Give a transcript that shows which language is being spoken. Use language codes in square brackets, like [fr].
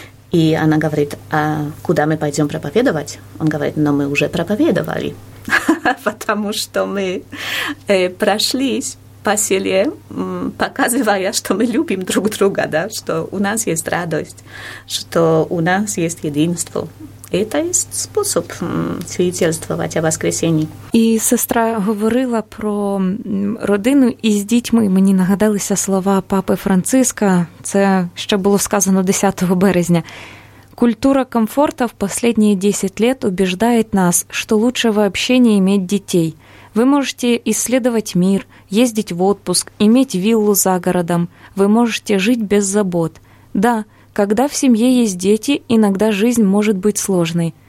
[ru] И она говорит: «А куда мы пойдем проповедовать?» Он говорит: «Но мы уже проповедовали, потому что мы прошлись по селе, показывая, что мы любим друг друга, да, что у нас есть радость, что у нас есть единство». Это есть способ свидетельствовать о воскресении. И сестра говорила про родину и с детьми. [uk] Мені нагадалися слова папы Франциска, це ще було сказано 10 березня. [ru] «Культура комфорта в последние 10 лет убеждает нас, что лучше вообще не иметь детей. Вы можете исследовать мир, ездить в отпуск, иметь виллу за городом. Вы можете жить без забот. Да, когда в семье есть дети, иногда жизнь может быть сложной.